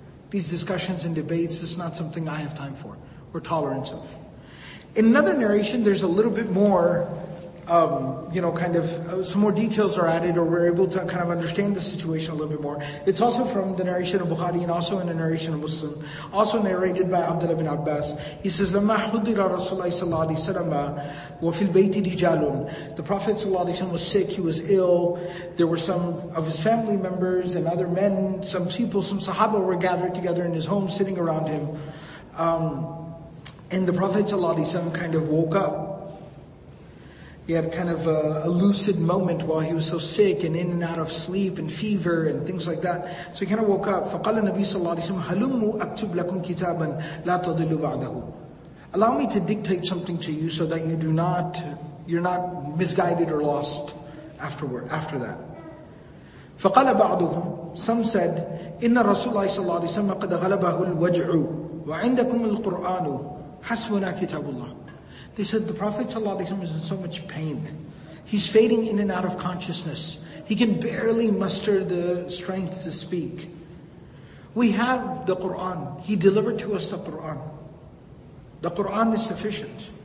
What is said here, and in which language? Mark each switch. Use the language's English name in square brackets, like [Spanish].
[English] These discussions and debates is not something I have time for or tolerance of. In another narration, there's a little bit more, some more details are added, or we're able to kind of understand the situation a little bit more. It's also from the narration of Bukhari and also in the narration of Muslim, also narrated by Abdullah ibn Abbas. He says, [Arabic] لما حضر رسول الله صلى الله عليه وسلم وفي البيت رجالون. [English] The Prophet صلى الله عليه وسلم was sick, he was ill, there were some of his family members and other men, some people, some sahaba were gathered together in his home sitting around him. And the Prophet صلى الله عليه وسلم kind of woke up. He had kind of a lucid moment while he was so sick and in and out of sleep and fever and things like that. So he kind of woke up. [Arabic] فَقَالَ النَّبِيُّ صَلَّى اللَّهُ عَلَيْهِ وَسَلَّمَ هَلُمُّ أَكْتُبْ لَكُمْ كِتَابًا لَا تَضِلُّ بَعْدَهُ. [English] Allow me to dictate something to you so that you do not, you're not misguided or lost afterward, after that. [Arabic] فَقَالَ بَعْضُهُمْ. [English] Some said, [Arabic] إِنَّ رَسُولَ اللَّهِ صَلَّى اللَّهُ عَلَيْهِ وَسَلَّمَ قَدْ غَلَبَهُ الْوَجْعُ وَعِندَكُمْ الْقُرْآنُ حَسْبُنَا كِتَابُ اللَّهِ. [English] They said, the Prophet ﷺ is in so much pain. He's fading in and out of consciousness. He can barely muster the strength to speak. We have the Qur'an. He delivered to us the Qur'an. The Qur'an is sufficient.